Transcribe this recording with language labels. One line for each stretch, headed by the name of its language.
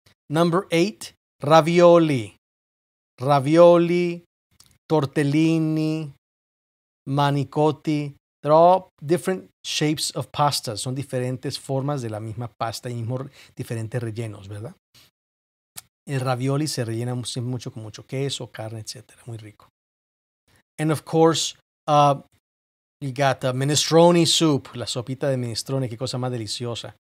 English: Number eight, ravioli. Ravioli, tortellini, manicotti. They're all different shapes of pasta.
Spanish: Son diferentes formas de la misma pasta y mismo diferentes rellenos, ¿verdad? El ravioli se rellena mucho con mucho queso, carne, etc. Muy rico.
English: And of course, you got the minestrone soup.
Spanish: La sopita de minestrone, qué cosa más deliciosa.